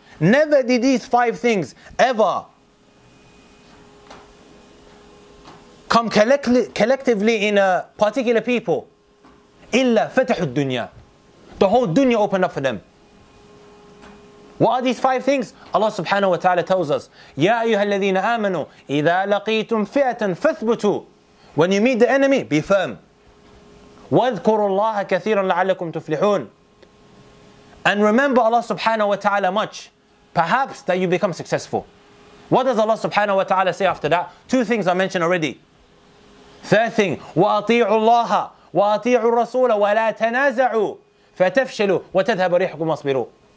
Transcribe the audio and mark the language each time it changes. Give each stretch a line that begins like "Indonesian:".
English: Never did these five things ever come collectively in a particular people.
Arabic: إِلَّا فَتَحُ الدُّنْيَا.
English: The whole dunya opened up for them. What are these five things? Allah subhanahu wa ta'ala tells us,
Arabic: يَا أَيُّهَا الَّذِينَ آمَنُوا إِذَا لَقِيتُمْ فِئَةً فَثْبُتُوا.
English: When you meet the enemy, be firm.
Arabic: وَاذْكُرُوا اللَّهَ كَثِيرًا لَعَلَّكُمْ تُفْلِحُونَ.
English: And remember Allah subhanahu wa ta'ala much, perhaps that you become successful. What does Allah subhanahu wa ta'ala say after that? Two things I mentioned already. Third thing,
Arabic: وَأَطِيعُوا اللَّهَ وَأَطِيعُوا الرَّسُولَ وَلَا تَنَازَعُوا فَتَفْشَلُوا وَتَذْهَبُ رِيحُكُمْ وَاصْبِرُوا.